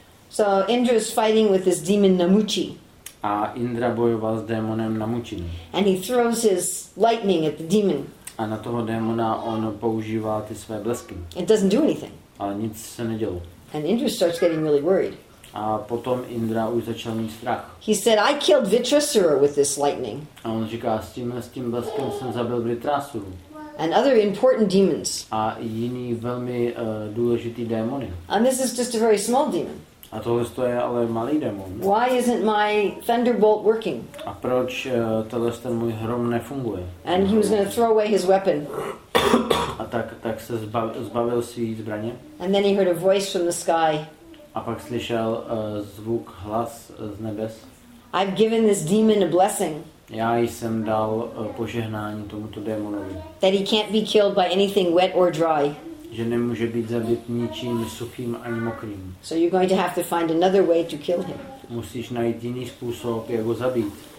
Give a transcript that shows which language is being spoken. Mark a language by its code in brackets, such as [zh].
[en] So Indra is fighting with this demon Namuchi. [cs] A Indra bojoval s démonem Namuchin. [en] And he throws his lightning at the demon. [cs] A na toho démona on používá ty své blesky. [en] It doesn't do anything. [cs] Ale nic se nedělo. [en] And Indra starts getting really worried. [cs] A potom Indra už začal mít strach. [en] He said, "I killed Vritrasura with this lightning." [cs] A on říká, s tím bleskem jsem zabil Vritrasuru. [en] And other important demons. [cs] A jiný velmi důležitý démony. [en] And this is just a very small demon. [cs] A tohle to je ale malý démon. [en] Why isn't my thunderbolt working? [cs] A proč tohle ten můj hrom nefunguje? [en] And he was going to throw away his weapon. [cs] A tak se zbavil svý zbraně. [en] And then he heard a voice from the sky. [cs] A pak slyšel zvuk, hlas z nebes. [en] I've given this demon a blessing. [cs] Já jsem dal požehnání tomuto démonovi. [en] That he can't be killed by anything wet or dry. [cs] Že nemůže být zabit ničím suchým ani mokrým. [en] So you're going to have to find another way to kill him. [cs] Musíš najít jiný způsob, jak ho zabít.